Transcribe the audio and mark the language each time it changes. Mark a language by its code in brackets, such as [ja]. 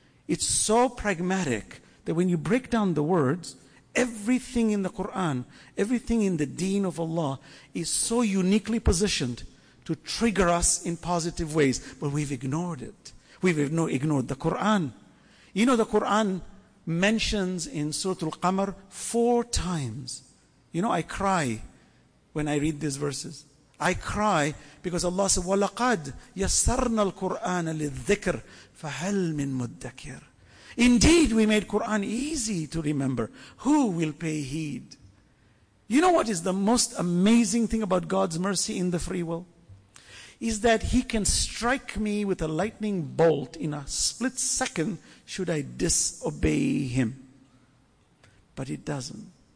[en] It's so pragmatic that when you break down the words, everything in the Quran, everything in the deen of Allah is so uniquely positioned to trigger us in positive ways. But we've ignored it. We've ignored the Quran. You know, the Quran mentions in Surah Al-Qamar 4 times. You know, I cry when I read these verses. I cry because Allah said, [ar] وَلَقَدْ يَسَّرْنَا الْقُرْآنَ لِلذِّكْرِ فَهَلْ مِن مُدَّكِرِ. [en] Indeed, we made Quran easy to remember. Who will pay heed? You know what is the most amazing thing about God's mercy in the free will? Is that He can strike me with a lightning bolt in a split second should I disobey Him. But He doesn't.